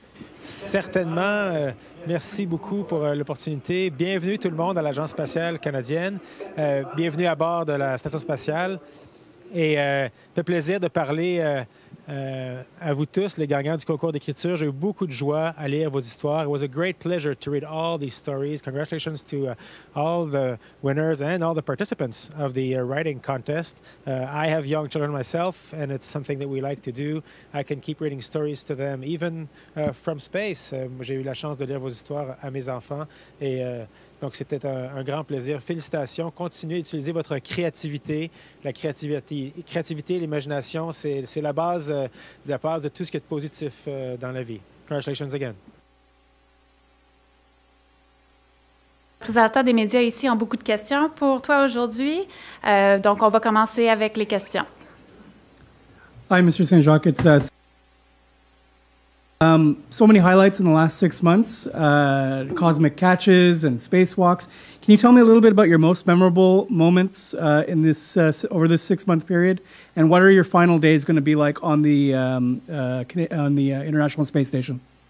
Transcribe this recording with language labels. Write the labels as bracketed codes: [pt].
[fr] Certainement. Merci beaucoup pour l'opportunité. Bienvenue tout le monde à l'Agence spatiale canadienne. Bienvenue à bord de la station spatiale. Et ça fait plaisir de parler à vous tous, les gagnants du concours d'écriture. J'ai eu beaucoup de joie à lire vos histoires. [en] It was a great pleasure to read all these stories. Congratulations to all the winners and all the participants of the writing contest. I have young children myself, and it's something that we like to do. I can keep reading stories to them, even from space. [fr] J'ai eu la chance de lire vos histoires à mes enfants. Et donc, c'était un grand plaisir. Félicitations. Continuez à utiliser votre créativité. La créativité, l'imagination, c'est la base de la part de tout ce qui est positif dans la vie. [en] Congratulations again. [fr] Les représentants des médias ici ont beaucoup de questions pour toi aujourd'hui. Donc, on va commencer avec les questions. [en] Hi, Mr. Saint-Jacques. It's so many highlights in the last 6 months, cosmic catches and spacewalks. Can you tell me a little bit about your most memorable moments in this over this six-month period? And what are your final days going to be like on the International Space Station?